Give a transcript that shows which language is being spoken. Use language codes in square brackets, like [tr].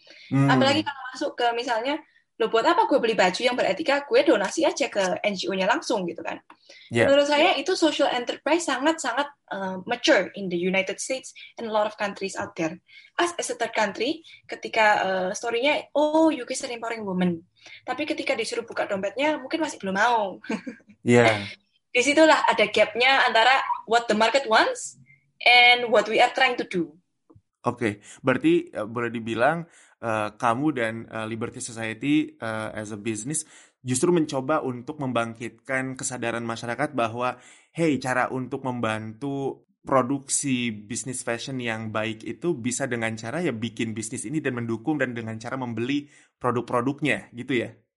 [id] Apalagi kalau masuk ke misalnya, lo buat apa gue beli baju yang beretika, gue donasi aja ke NGO-nya langsung gitu kan. [en] Yeah. [id] Menurut saya itu [en] social enterprise [id] sangat-sangat [en] mature in the United States and a lot of countries out there. As a third country, [id] ketika story-nya, [en] oh, you guys are empowering women. [id] Tapi ketika disuruh buka dompetnya, mungkin masih belum mau. Disitulah ada gap-nya antara [en] what the market wants and what we are trying to do. Okay. [id] Berarti boleh dibilang kamu dan Liberty Society [en] as a business [id] justru mencoba untuk membangkitkan kesadaran masyarakat bahwa hey, cara untuk membantu produksi bisnis fashion yang baik itu bisa dengan cara ya bikin bisnis ini dan mendukung dan dengan cara membeli produk-produknya, gitu ya?